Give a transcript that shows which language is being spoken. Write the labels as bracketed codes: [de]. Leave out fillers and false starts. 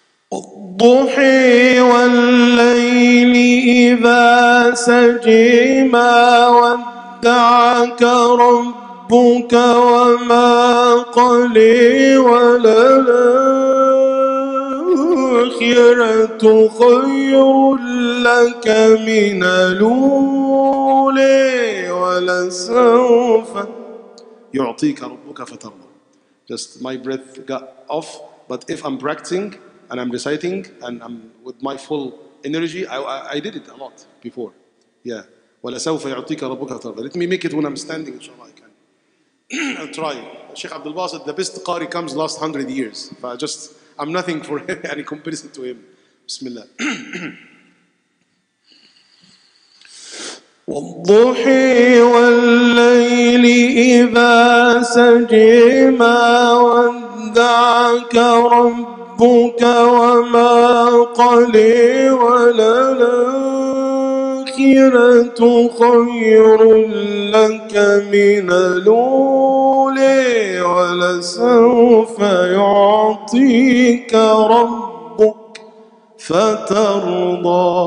[ar] الضحي والليل إذا سجي ما ودعك ربك وما قلي ولا الآخرة خير لك من الأولى ولسوف يعطيك ربك فترضى. [en] Just my breath got off, but if I'm practicing and I'm reciting and I'm with my full energy, I did it a lot before. Yeah. [ar] ولا سوف يعطيك ربك فترضى. [en] Let me make it when I'm standing. Inshallah, I can. I'll try. Sheikh Abdul Basit, the best qari comes last 100 years. But just I'm nothing for any comparison to him. [ar] Bismillah. والضحى والليل إذا سجى ما ودعك ربك وما قل وللآخرة خير لك من الأولى ولسوف يعطيك ربك فترضى.